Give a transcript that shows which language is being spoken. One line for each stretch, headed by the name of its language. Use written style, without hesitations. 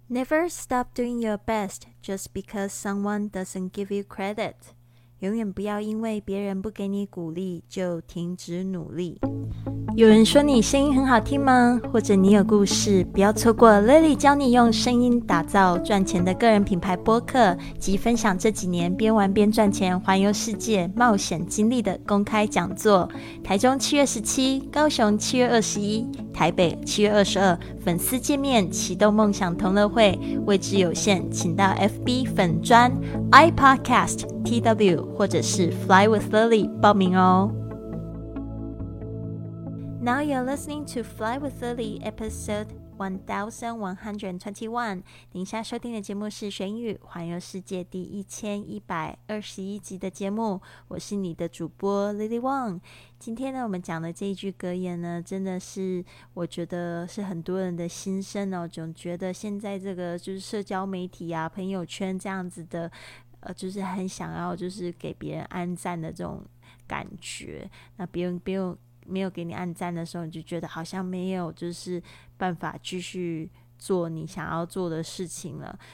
English: Never stop doing your best just because someone doesn't give you credit.
Chinese: 永远不要因为别人不给你鼓励就停止努力。有人说你声音很好听吗？或者你有故事，不要错过 Lily 教你用声音打造赚钱的个人品牌播客，及分享这几年边玩边赚钱环游世界冒险经历的公开讲座。台中7月17，高雄7月21，台北7月22，粉丝见面启动梦想同乐会，位置有限，请到 FB 粉专 iPodcast TW 或者是 Fly with Lily 报名哦。
English: Now you're listening to Fly with Lily episode 1121.
Chinese: 您现在收听的节目是学英语环游世界第1121集的节目，我是你的主播 Lily Wang。今天呢，我们讲的这一句格言呢，真的是我觉得是很多人的心声哦，总觉得现在这个就是社交媒体啊，朋友圈这样子的就是很想要就是给别人按赞的这种感觉，那别人没有给你按赞的时候，你就觉得好像没有就是办法继续做你想要做的事情了。